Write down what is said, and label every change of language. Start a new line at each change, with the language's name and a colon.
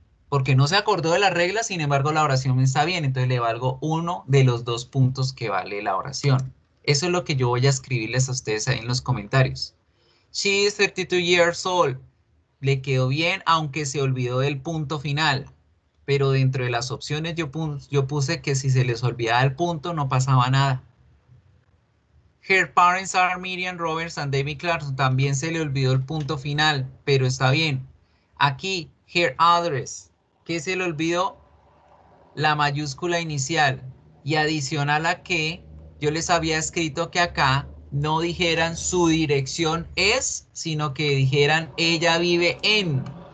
Spanish: Porque no se acordó de la regla, sin embargo, la oración está bien. Entonces, le valgo uno de los dos puntos que vale la oración. Eso es lo que yo voy a escribirles a ustedes ahí en los comentarios.
English: She is 32 years old.
Spanish: Le quedó bien, aunque se olvidó del punto final. Pero dentro de las opciones yo puse que si se les olvidaba el punto, no pasaba nada.
English: Her parents are Miriam Roberts and David Clarkson.
Spanish: También se le olvidó el punto final, pero está bien. Aquí,
English: her address.
Spanish: ¿Qué se le olvidó? La mayúscula inicial. Y adicional a que yo les había escrito que acá no dijeran su dirección es, sino que dijeran ella vive en.